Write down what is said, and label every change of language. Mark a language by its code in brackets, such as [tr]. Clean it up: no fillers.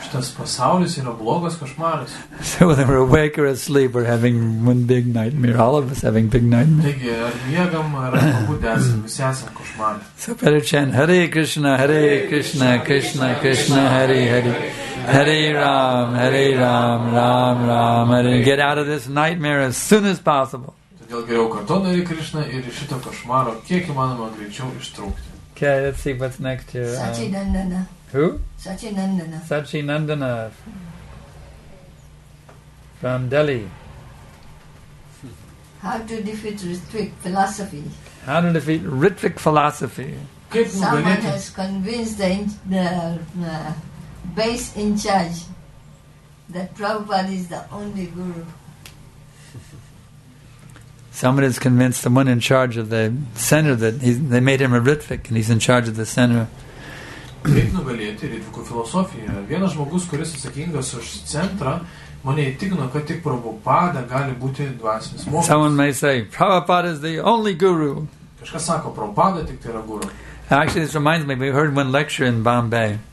[lt] Šitas pasaulis yra blogas košmaras. [en] So whether we're awake or asleep, we're having one big nightmare. All of us having big nightmares. [lt] Taigi, ar miegam, ar pabudęsim, visi esam košmarai. [en] So better chant, Hare Krishna, Hare Krishna, Krishna Krishna, Hare Hare. [sa] Hare Ram, Ram Ram, Hare. [en] Get out of this nightmare as soon as possible. [lt] Todėl geriau kartu Hare Krishna ir iš šito košmaro kiek įmanoma greičiau ištraukti. [en] Okay, let's see what's next here. Sachinandana. Who? Sachinandana. Sachinandana. From Delhi. How to defeat Ritvik philosophy? How to defeat Ritvik philosophy? Someone has convinced the base in charge that Prabhupada is the only guru. Someone has convinced the one in charge of the center that they made him a Ritvik and he's in charge of the center. [lt] Kaip nugalėti Ritviko filosofiją? Vienas žmogus, kuris atsakingas už centrą, mane įtikino, kad tik Prabhupada gali būti dvasinis mokytojas. [en] Someone may say, Prabhupada is the only guru. [lt] Kažkas sako, Prabhupada tik tai yra guru. [en] Actually, this reminds me, we heard one lecture in Bombay.